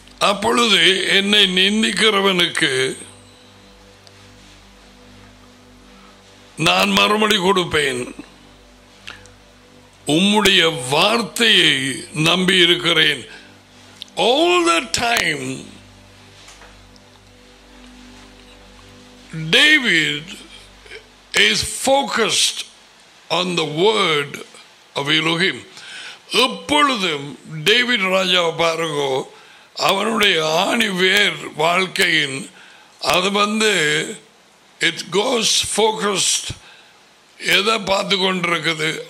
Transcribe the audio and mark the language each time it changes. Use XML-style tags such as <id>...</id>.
<ta>அப்பொழுது என்னை நிந்திக்கிறவனுக்கு நான் மறுமொழி கொடுப்பேன், உம்முடைய வார்த்தையை நம்பி இருக்கிறேன்.</ta> <en>All the time David is focused on the word of Elohim.</en> <ta>எப்பொழுதும் டேவிட் ராஜாவை பாருங்கோ, அவனுடைய ஆணி வேர் வாழ்க்கையின் அது வந்து</ta> <en>it goes focused</en> <ta>எதை பார்த்து கொண்டிருக்குது?</ta>